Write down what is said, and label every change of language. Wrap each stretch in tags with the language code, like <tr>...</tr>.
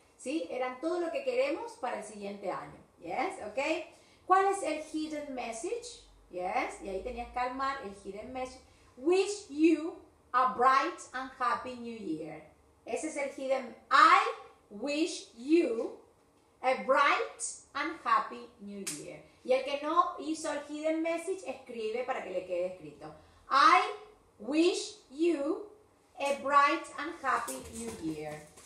<es>Sí, eran todo lo que queremos para el siguiente año.</es> <en>Yes, okay.</en> <es>¿Cuál es el hidden message? Yes, y ahí tenías que armar el hidden message.</es> <en>Wish you a bright and happy new year.</en> <es>Ese es el hidden.</es> <en>I wish you a bright and happy new year.</en> <es>Y el que no hizo el hidden message, escribe para que le quede escrito.</es> <en>I wish you a bright and happy new year.</en>